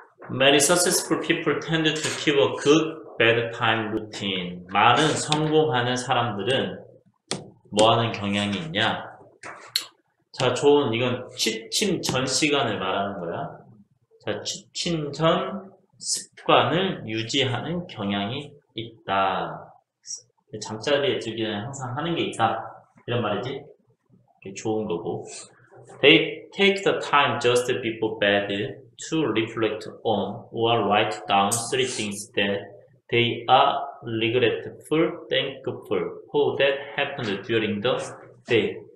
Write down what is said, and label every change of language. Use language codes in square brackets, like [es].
[en] Many successful people tend to keep a good bedtime routine. [ko] 많은 성공하는 사람들은 뭐 하는 경향이 있냐? 자, 좋은. 이건 취침 전 시간을 말하는 거야. 자, 취침 전 습관을 유지하는 경향이 있다. 잠자리에 들기 전에 항상 하는 게 있다. 이런 말이지. 좋은 거고. [en] They take the time just before bed to reflect on or write down three things that they are regretful, thankful for that happened during the day.